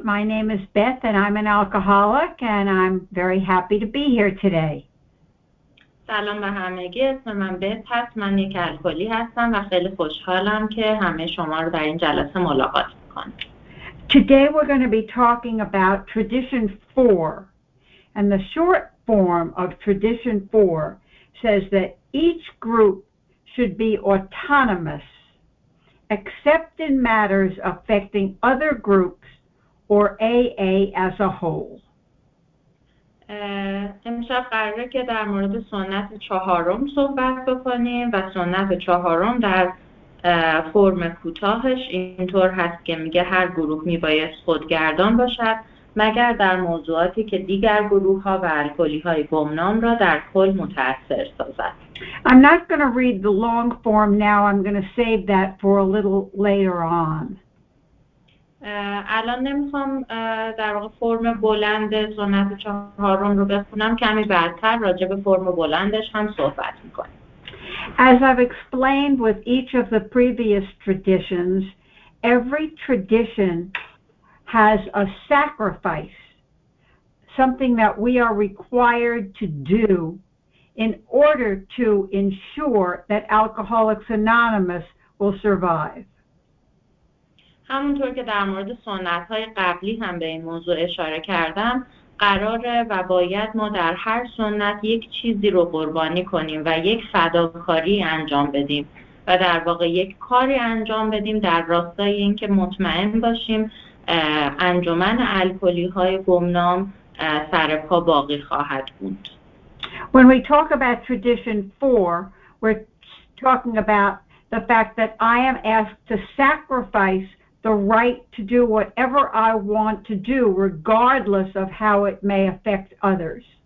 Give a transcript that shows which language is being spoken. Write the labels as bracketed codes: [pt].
[en] My name is Beth, and I'm an alcoholic, and I'm very happy to be here today. [fa] سلام به همگی، اسم من بت هست، من یک الکلی هستم و خیلی خوشحالم که همه شما رو در این جلسه ملاقات می‌کنم. [en] Today we're going to be talking about tradition 4. And the short form of tradition 4 says that each group should be autonomous except in matters affecting other groups or AA as a whole. [fa] امشب قراره که در مورد سنت چهارم صحبت بکنیم و سنت چهارم در فرم کوتاهش اینطور هست که میگه هر گروه میباید خودگردان باشد مگر در موضوعاتی که دیگر گروه ها و الکلی های گمنام را در کل متاثر سازد. [en] I'm not going to read the long form now. I'm going to save that for a little later on. [fa] الان نمیخوام در واقع فرم بلند سنت چهارم رو بخونم، کمی بعدتر راجع به فرم بلندش هم صحبت میکنم. [en] As I've explained with each of the previous traditions, every tradition has a sacrifice, something that we are required to do in order to ensure that Alcoholics Anonymous will survive. [fa] همونطور که در مورد سنت‌های قبلی هم به این موضوع اشاره کردم، قراره و باید ما در هر سنت یک چیزی رو قربانی کنیم و یک فداکاری انجام بدیم و در واقع یک کاری انجام بدیم در راستای اینکه مطمئن باشیم انجمن الکلی‌های گمنام سرپا باقی خواهد بود. [en] When we talk about tradition 4, we're talking about the fact that I am asked to sacrifice the right to do whatever I want to do regardless of how it may affect others.